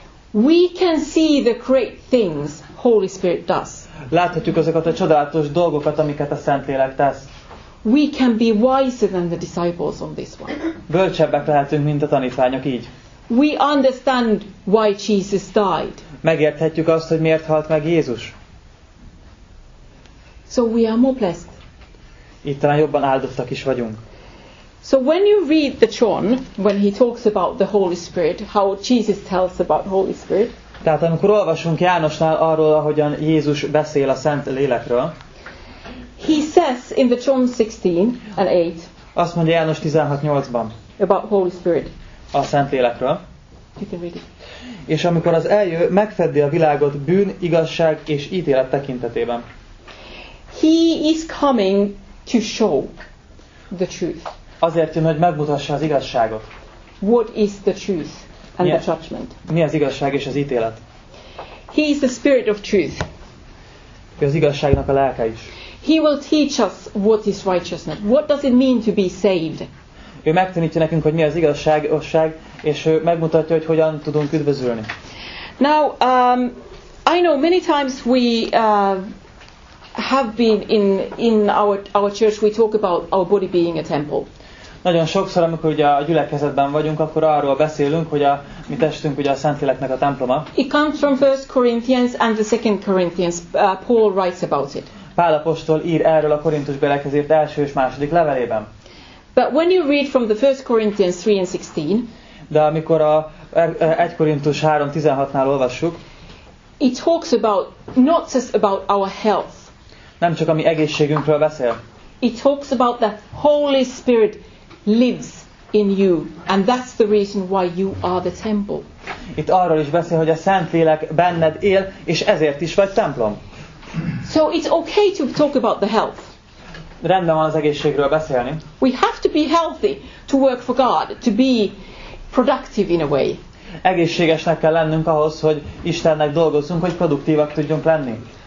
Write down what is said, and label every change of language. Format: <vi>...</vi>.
<en>We can see the great things Holy Spirit does.</en> <hu>Láthatjuk azokat a csodálatos dolgokat, amiket a Szentlélek tesz.</hu> <en>We can be wiser than the disciples on this one.</en> <hu>Bölcsebbek lehetünk, mint a tanítványok így.</hu> <en>We understand why Jesus died.</en> <hu>Megérthetjük azt, hogy miért halt meg Jézus.</hu> <en>So we are more blessed.</en> <hu>Itt talán jobban áldottak is vagyunk.</hu> <en>So when you read the John, when he talks about the Holy Spirit, how Jesus tells about Holy Spirit.</en> <hu>Tehát amikor olvasunk Jánosnál arról, ahogyan Jézus beszél a Szent Lélekről.</hu> <en>He says in the John 16 and 8.</en> <hu>Azt mondja János 16:8-ban.</hu> <en>About Holy Spirit.</en> <hu>A Szent Lélekről.</hu> <en>You can read it.</en> <hu>És amikor az eljő, megfeddi a világot bűn, igazság és ítélet tekintetében.</hu> <en>He is coming to show the truth.</en> <hu>Azért jön, hogy megmutassa az igazságot.</hu> <en>What is the truth and the judgment?</en> <hu>Mi az igazság és az ítélet?</hu> <en>He is the spirit of truth.</en> <hu>Ő az igazságnak a lelke is.</hu> <en>He will teach us what is righteousness. What does it mean to be saved?</en> <hu>Ő megtanítja nekünk, hogy mi az igazságosság, és ő megmutatja, hogy hogyan tudunk üdvözülni.</hu> <en>Now, I know many times we have been in our church, we talk about our body being a temple.</en> <hu>Nagyon sokszor, amikor ugye a gyülekezetben vagyunk, akkor arról beszélünk, hogy a mi testünk ugye a Szentléleknek a temploma.</hu> <en>It comes from 1 Corinthians and the 2 Corinthians. Paul writes about it.</en> <hu>Pál apostol ír erről a Korintus beleképzelt első és második levelében.</hu> <en>But when you read from the 1 Corinthians 3 and 16,</en> <hu>de amikor a 1 Korintus 3:16-nál olvassuk,</hu> <en>it talks about not just about our health.</en> <hu>Nem csak a mi egészségünkről beszél.</hu> <en>It talks about the Holy Spirit lives in you, and that's the reason why you are the temple.</en> <hu>Itt arról is beszél, hogy a Szentlélek benned él, és ezért is vagy templom.</hu> <en>So it's okay to talk about the health.</en> <hu>Rendben van az egészségről beszélni.</hu> <en>We have to be healthy to work for God, to be productive in a way.</en> <hu>Egészségesnek kell lennünk ahhoz, hogy Istennek dolgozzunk, hogy produktívak tudjunk lenni.</hu>